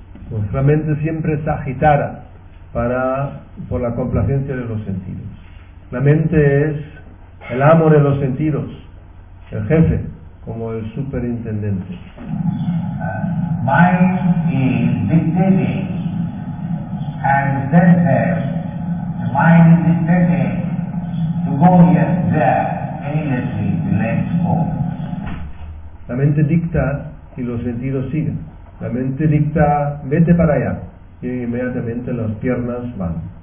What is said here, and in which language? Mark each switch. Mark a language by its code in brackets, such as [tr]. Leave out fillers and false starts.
[es] Nuestra mente siempre está agitada por la complacencia de los sentidos. La mente es el amo de los sentidos, el jefe, como el superintendente. [en] Mind is dictating, and then the mind is dictating to go here, there, endlessly, let's go. [es] La mente dicta y los sentidos siguen. La mente dicta, vete para allá, y inmediatamente las piernas van.